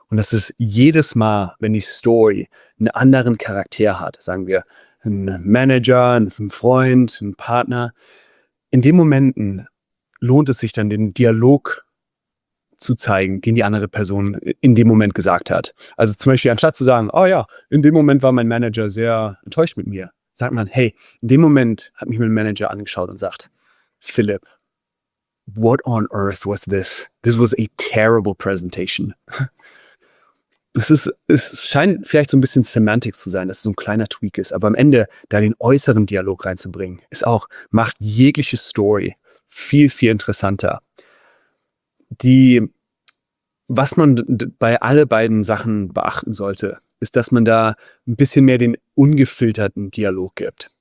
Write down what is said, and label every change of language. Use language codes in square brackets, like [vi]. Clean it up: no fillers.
[de] Und das ist jedes Mal, wenn die Story einen anderen Charakter hat, sagen wir, ein Manager, ein Freund, ein Partner, in den Momenten lohnt es sich dann, den Dialog zu zeigen, den die andere Person in dem Moment gesagt hat. Also zum Beispiel, anstatt zu sagen, oh ja, in dem Moment war mein Manager sehr enttäuscht mit mir, sagt man, hey, in dem Moment hat mich mein Manager angeschaut und sagt, Philipp, [en] what on earth was this? This was a terrible presentation. [de] Es scheint vielleicht so ein bisschen Semantics zu sein, dass es so ein kleiner Tweak ist, aber am Ende da den äußeren Dialog reinzubringen, ist auch, macht jegliche Story viel, viel interessanter. Was man bei alle beiden Sachen beachten sollte, ist, dass man da ein bisschen mehr den ungefilterten Dialog gibt.